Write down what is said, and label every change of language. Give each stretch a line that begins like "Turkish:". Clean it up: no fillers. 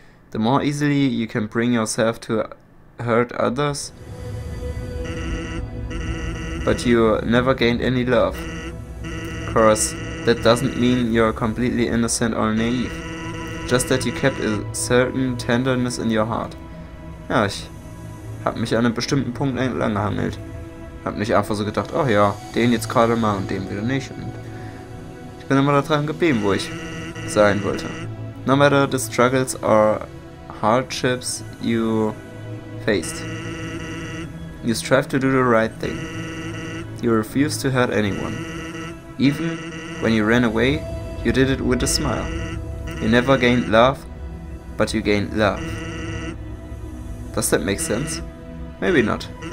English: The more easily you can bring yourself to hurt others, but you never gained any love. Of course, that doesn't mean you're completely innocent or naive. Just that you kept a certain tenderness in your heart.
German: Ja, ich habe mich an einem bestimmten Punkt entlang gehangelt. Hab nicht einfach so gedacht, oh ja, den jetzt gerade mal und den wieder nicht. Und ich bin immer daran geblieben, wo ich sein wollte.
English: No matter the struggles or hardships you faced, you strive to do the right thing. You refuse to hurt anyone. Even when you ran away, you did it with a smile. You never gained love, but you gained love. Does that make sense? Maybe not.